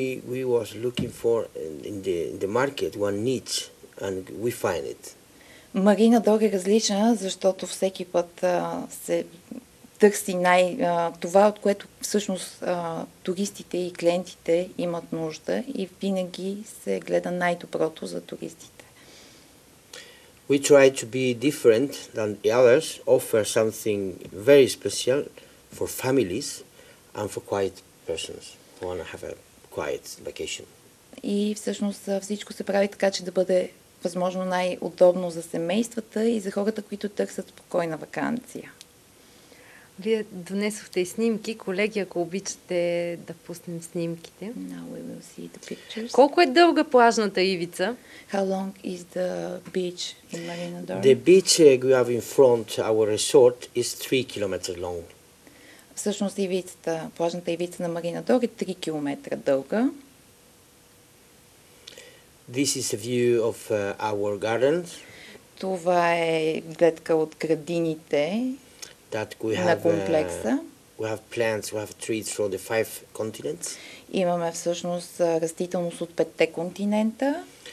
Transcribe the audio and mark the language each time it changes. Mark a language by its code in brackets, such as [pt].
[en] We was looking for in the market one niche and we find it. [bg] Марина Дор е различна, защото всеки път се търси това, от което всъщност туристите и клиентите имат нужда и винаги се гледа най-доброто за туристите. [en] We try to be different than the others, offer something very special for families and for quiet persons who want to have a quiet vacation. [bg] И всъщност всичко се прави така, че да бъде възможно най-удобно за семействата и за хората, които търсят спокойна ваканция. Вие донесохте снимки. Колеги, ако обичате да пуснем снимките. [en] Now we will see the pictures. [bg] Колко е дълга плажната ивица? [en] How long is the beach in Marina Dor? The beach we have in front our resort is 3 km long. [bg] Всъщност ивицата, плажната ивица на Марина Дор е 3 км дълга. [en] This is a view of our gardens. [bg] Това е гледка от градините. [en] that we have, [bg] на комплекса. [en] We have plants, we have trees from the five continents. [bg] Имаме всъщност растителност от петте континента.